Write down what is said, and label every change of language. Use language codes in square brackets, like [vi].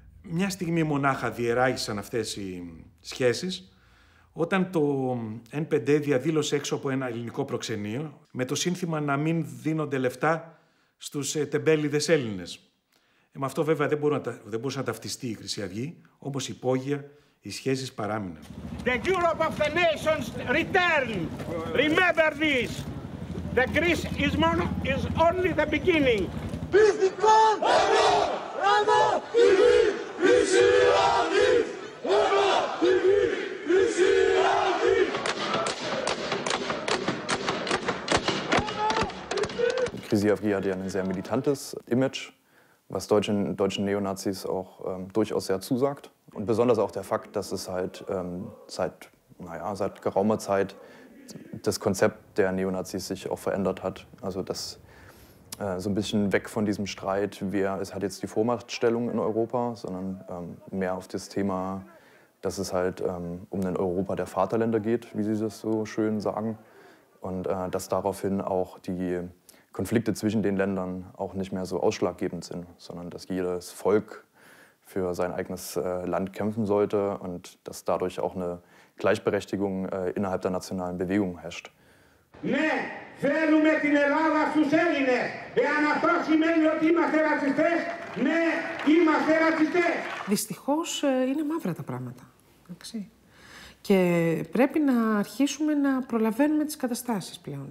[el] Μια στιγμή μονάχα διεράγησαν αυτές οι σχέσεις, όταν το N5 διαδήλωσε έξω από ένα ελληνικό προξενείο με το σύνθημα να μην δίνονται λεφτά στους τεμπέληδες Έλληνες. Με αυτό βέβαια δεν μπορούσε να ταυτιστεί η Χρυσή Αυγή, όμως υπόγεια οι σχέσεις παράμειναν. [en] The Europe of the Nations return. Remember this. The Greece is only the beginning. [el] Πιστικών Ευρώ, Ευρώ, Χρυσή Αυγή. Ευρώ, Χρυσή Αυγή. Η Χρυσή Αυγή [de] hatte ja ein sehr militantes Image, was deutschen Neonazis auch durchaus sehr zusagt. Und besonders auch der Fakt, dass es halt seit geraumer Zeit das Konzept der Neonazis sich auch verändert hat. Also das so ein bisschen weg von diesem Streit, wer es hat jetzt die Vormachtstellung in Europa, sondern mehr auf das Thema, dass es halt um ein Europa der Vaterländer geht, wie sie das so schön sagen. Und dass daraufhin auch die Konflikte zwischen den Ländern auch nicht mehr so ausschlaggebend sind, sondern dass jedes Volk für sein eigenes Land kämpfen sollte und dass dadurch auch eine Gleichberechtigung innerhalb der nationalen Bewegung herrscht. Ναι, θέλουμε την Ελλάδα στους Έλληνες. Εάν αυτό σημαίνει ότι είμαστε ρατσιστές, ναι, είμαστε ρατσιστές. Δυστυχώς είναι μαύρα τα πράγματα. Εντάξει. Και πρέπει να αρχίσουμε να προλαβαίνουμε τις καταστάσεις πλέον.